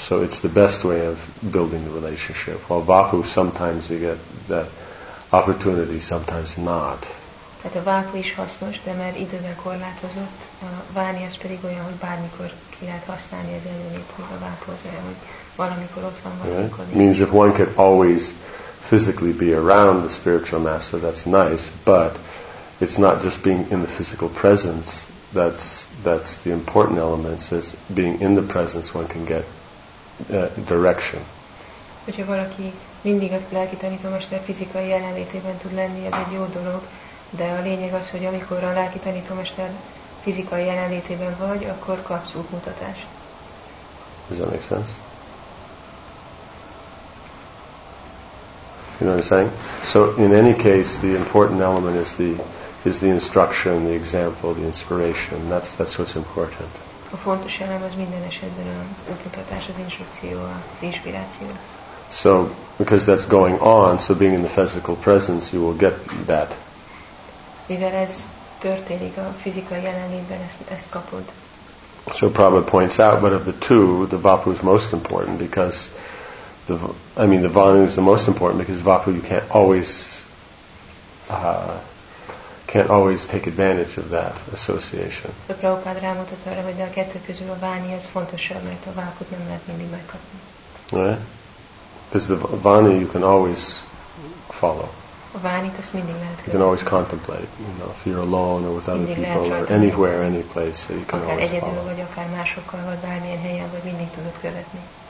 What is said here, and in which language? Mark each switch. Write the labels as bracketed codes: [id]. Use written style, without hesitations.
[en] So it's the best way of building the relationship. While vapu, sometimes you get that opportunity, sometimes not. [hu] Tehát a vápu is hasznos, de mert idővel korlátozott. A váni az pedig olyan, hogy bármikor ki lehet használni az előnyét, hogy a vápu az olyan, hogy valamikor ott van, valamikor. [en] Means if one can always physically be around the spiritual master, that's nice, but it's not just being in the physical presence that's the important element. It's being in the presence one can get direction. [hu] Hogyha valaki mindig a lelki tanítomester fizikai jelenlétében tud lenni, ez egy jó dolog, de a lényeg az, hogy amikor a lelki tanítomester fizikai jelenlétében vagy, akkor kapsz útmutatást. [en] Does that make sense? You know what I'm saying? So in any case, the important element is the instruction, the example, the inspiration. That's what's important. [hu] A fontos elem az minden esetben az útmutatás, az instrukció, az inspiráció. [en] So because that's going on, so being in the physical presence, you will get that. [hu] Mivel ez történik a fizikai jelenlétben, ezt kapod. [en] So Prabhupada points out, but of the two, the Vapu is most important because the Vanu is the most important because Vapu you can't always take advantage of that association. [hu] So Prabhupada rámutat arra, hogy a kettő közül a Vani az fontosabb, mert a Vaput nem lehet mindig megkapni. [en] Because the Vani you can always follow. [hu] A Vanit azt mindig lehet követni. [en] You can always contemplate, you know, if you're alone or with other [hu] mindig [en] people or anywhere, any place, so you can [hu] akár [en] always [hu] egyedül [en] follow. [hu] Egyedül vagy akár másokkal, vagy bármilyen helyen, vagy mindig tudod követni.